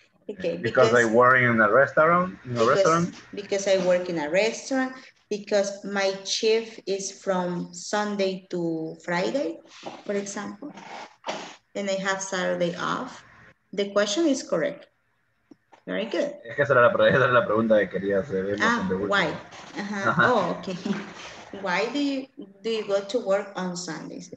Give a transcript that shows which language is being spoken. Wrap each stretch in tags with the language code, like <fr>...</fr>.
<en>Okay, because I work in a restaurant, Because I work in a restaurant, because my shift is from Sunday to Friday, for example, and I have Saturday off. The question is correct. Very good.</en> <es>Es que esa era la pregunta que quería hacer.</es> <en>Why? Uh-huh. Uh-huh. Oh, okay. Why do you go to work on Sundays?</en>